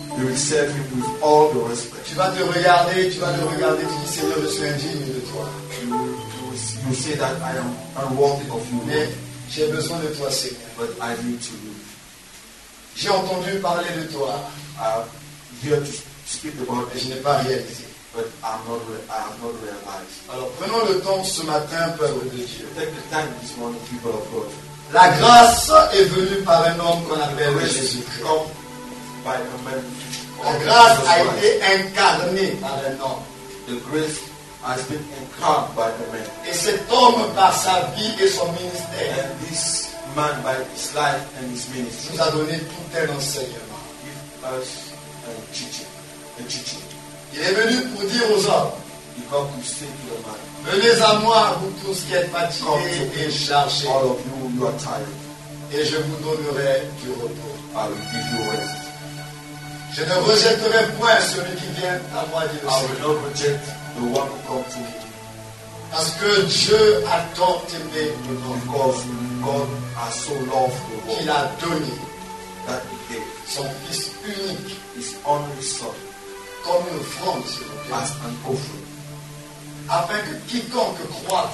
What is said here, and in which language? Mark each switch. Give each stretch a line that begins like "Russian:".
English: You will serve him with all the respect.
French: Tu vas te regarder, tu vas te regarder, tu dis Seigneur, je suis indigne de toi.
English: You say that I am unworthy of you.
French: Mais j'ai besoin de toi, Seigneur.
English: But I need to you.
French: J'ai entendu parler de toi.
English: To speak about
French: et je n'ai pas réalisé.
English: But I'm not realized.
French: Alors prenons le temps ce matin, peuple de Dieu.
English: Take the time this morning, people of God.
French: La grâce est venue par un homme qu'on appelle Jésus-Christ.
English: By a man.
French: La grâce a été incarnée par un homme.
English: The grace has been incarnated by a man.
French: Et cet homme par sa vie et son ministère.
English: And this man by his life and his ministry.
French: Nous a donné tout un enseignement.
English: Give us a teaching.
French: Il est venu pour dire aux hommes, venez à moi, vous tous qui êtes fatigués et chargés.
English: All of you, you are tired.
French: Et je vous donnerai du repos.
English: I will give you rest.
French: Je ne rejetterai point celui qui vient à moi, dit le Seigneur.
English: I will not reject the one who comes to me.
French: Parce que Dieu a tant aimé le monde.
English: Because God has so loved the world.
French: Qu'il a donné
English: that he gave
French: son Fils unique,
English: his only Son.
French: Comme une offrande,
English: as an offering,
French: afin que quiconque croit,